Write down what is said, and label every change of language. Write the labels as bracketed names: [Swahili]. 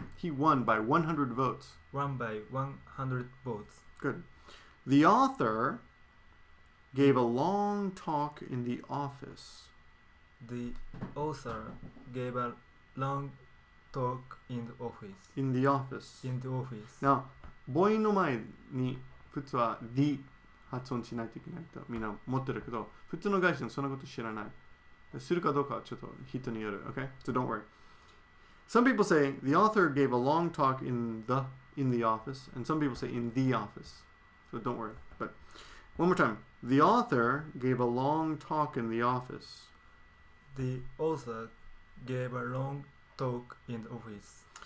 [English] He won by 100 votes. Won by 100 votes. Good. The author gave a long talk in the office. The author gave a long talk in the office. In the office. In the office. [Japanese] Now, 母音の前に普通は the 発音しないといけないとみんな持ってるけど、普通の外人はそんなこと知らない。するかどうかはちょっと人による。 [English] Okay? So don't worry. Some people say the author gave a long talk in the office, and some people say in the office. So don't worry. But one more time. The author gave a long talk in the office. The author gave a long talk in the office.